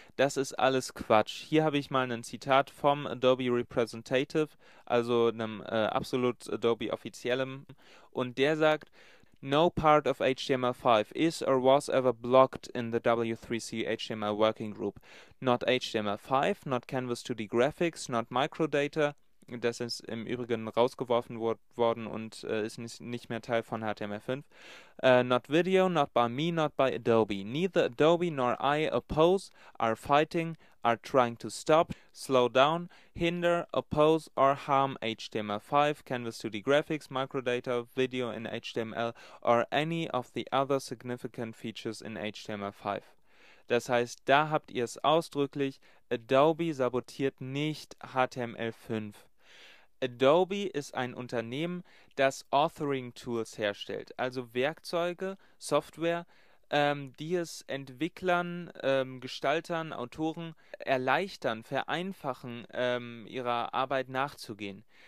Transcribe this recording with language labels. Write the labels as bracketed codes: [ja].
[de] Das ist alles Quatsch. Hier habe ich mal ein Zitat vom Adobe Representative, also einem absolut Adobe offiziellem, und der sagt: [en] No part of HTML5 is or was ever blocked in the W3C HTML Working Group. Not HTML5, not Canvas 2D Graphics, not Microdata. [de] Das ist im Übrigen rausgeworfen worden und ist nicht mehr Teil von HTML5. [en] Not video, not by me, not by Adobe. Neither Adobe nor I oppose, are fighting, are trying to stop, slow down, hinder, oppose or harm HTML5, Canvas 2D Graphics, Microdata, Video in HTML or any of the other significant features in HTML5. [de] Das heißt, da habt ihr es ausdrücklich. Adobe sabotiert nicht HTML5. Adobe ist ein Unternehmen, das Authoring-Tools herstellt, also Werkzeuge, Software, die es Entwicklern, Gestaltern, Autoren erleichtern, vereinfachen, ihrer Arbeit nachzugehen.